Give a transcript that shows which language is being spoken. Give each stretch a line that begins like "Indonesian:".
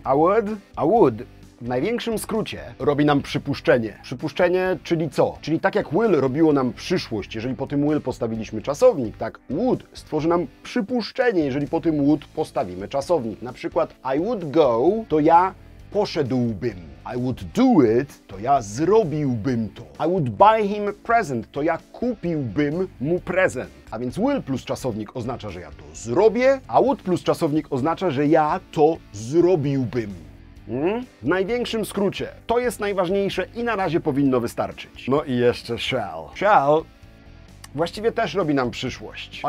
Polish: I would w największym skrócie robi nam przypuszczenie. Przypuszczenie, czyli co? Czyli tak jak will robiło nam przyszłość, jeżeli po tym will postawiliśmy czasownik, tak would stworzy nam przypuszczenie, jeżeli po tym would postawimy czasownik. Na przykład
English: I would go,
Polish: to ja poszedłbym.
English: I would do it,
Polish: to ja zrobiłbym to.
English: I would buy him a present,
Polish: to ja kupiłbym mu prezent. A więc will plus czasownik oznacza, że ja to zrobię, a would plus czasownik oznacza, że ja to zrobiłbym. W największym skrócie, to jest najważniejsze i na razie powinno wystarczyć. No i jeszcze shall. Shall właściwie też robi nam przyszłość.